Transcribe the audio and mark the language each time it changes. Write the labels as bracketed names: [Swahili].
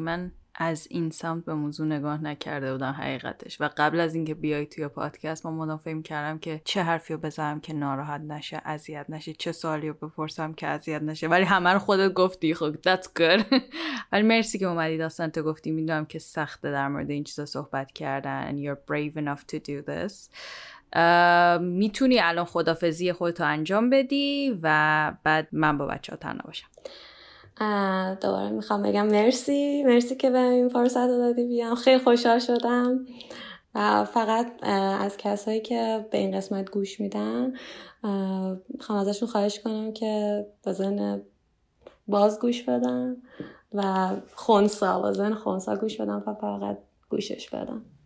[Persian] من از این سمت به موضوع نگاه نکرده بودم حقیقتش، و قبل از اینکه بیای توی پادکست ما مدام فکر می‌کردم که چه حرفیو بزنم که ناراحت نشه، اذیت نشه، چه سوالیو بپرسم که اذیت نشه، ولی همه رو خودت گفتی. خب [English] That's good. [Persian] ولی مرسی که اومدی داستان تو گفتی. میدونم که سخته در مورد این چیزا صحبت کردن. [English] And you're brave enough to do this. [Persian] میتونی الان خدافظی خودتو انجام بدی و بعد من با بچه‌ها تنها باشم. دوباره میخوام بگم مرسی، مرسی که به این فرصت دادی بیام، خیلی خوشحال شدم. فقط از کسایی که به این قسمت گوش میدن میخوام ازشون خواهش کنم که بزن باز گوش بدن و خونسا، بزن خونسا گوش بدن و فقط گوشش بدن.